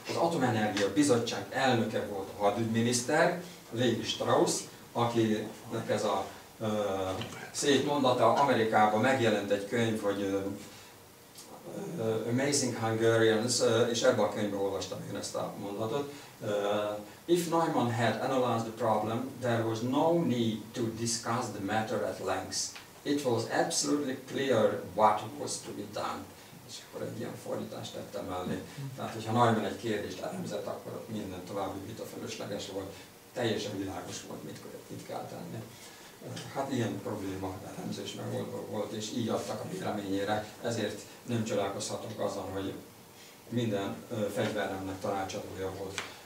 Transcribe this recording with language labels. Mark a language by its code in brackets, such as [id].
[hu] Az Atomenergia Bizottság elnöke volt a hadügyminiszter, Levi Strauss, akinek ez a szép mondata, Amerikában megjelent egy könyv, hogy Amazing Hungarians, és ebben a könyvben olvastam én ezt a mondatot. [en] If Neumann had analyzed the problem, there was no need to discuss the matter at length. It was absolutely clear what was to be done. [hu] És akkor egy ilyen fordítást tettem mellé. Tehát, hogyha Neumann egy kérdést elemzett, akkor minden további vita fölösleges volt. Teljesen világos volt, mit kell tenni. Hát ilyen probléma elemzés meg volt, és így adtak a véleményére, ezért nem csodálkozhatok azon, hogy minden fegyveremnek tanácsadója volt.